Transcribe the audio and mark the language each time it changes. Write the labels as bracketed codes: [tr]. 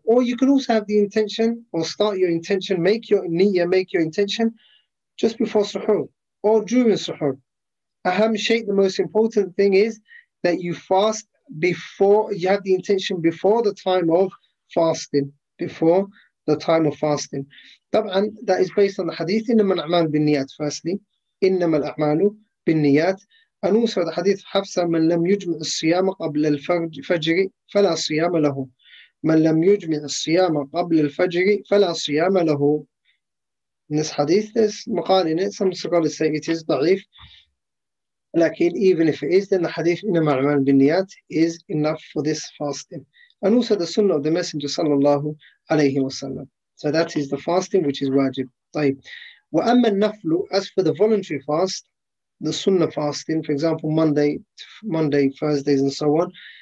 [en] Or you can also have the intention, or start your intention, make your niyyah, make your intention just before suhoor. Or during suhoor. Aham shaykh, the most important thing is that you fast before you have the intention before the time of fasting, before the time of fasting. [ar] طبعا, [en] that is based on the hadith [ar] إنما الأعمال بالنيات, [en] firstly [ar] إنما الأعمال بالنيات, [en] and also the hadith [ar] حفصة من لم يجمع الصيام قبل الفجر فلا صيام له, من لم يجمع الصيام قبل الفجر فلا صيام له. [en] In this hadith, there's maqal in it. Some scholars say it is da'if. Lakin, even if it is, then the hadith [ar] innama al-amal bin-niyat [en] is enough for this fasting. And also the sunnah of the Messenger sallallahu alayhi wa sallam. So that is the fasting which is wajib. Tayyib. [ar] Wa amma al-naflu, [en] as for the voluntary fast, the sunnah fasting, for example, Monday, Thursdays, and so on.